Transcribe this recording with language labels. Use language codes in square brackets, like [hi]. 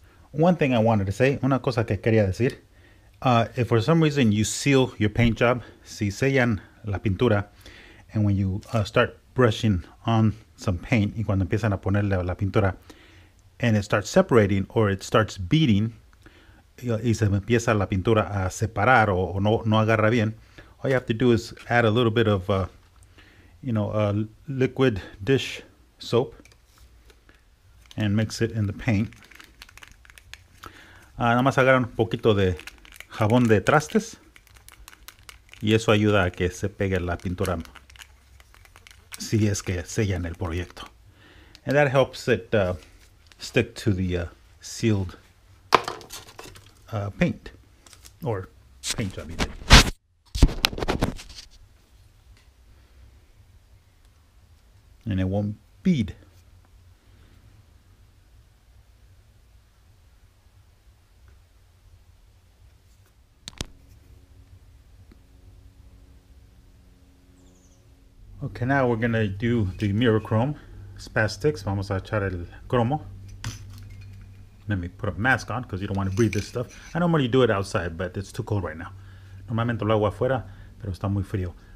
[en] One thing I wanted to say, [es] una cosa que quería decir, [en] if for some reason you seal your paint job, [es] si sellan la pintura, [en] and when you start brushing on some paint, [es] y cuando empiezan a ponerle la pintura, [en] and it starts separating or it starts beading, [es] y se empieza la pintura a separar o no agarra bien, [en] all you have to do is add a little bit of, you know, a liquid dish soap and mix it in the paint. [es] Nada más agarran un poquito de jabón de trastes y eso ayuda a que se pegue la pintura si es que sellan el proyecto. [en] And that helps it stick to the sealed paint or paint job. And it won't bead. Okay, now we're gonna do the mirror chrome spastic. [es] Vamos a echar el cromo. [en] Let me put a mask on because you don't want to breathe this stuff. I normally do it outside, but it's too cold right now. [es] Normalmente lo hago afuera, pero está muy frío.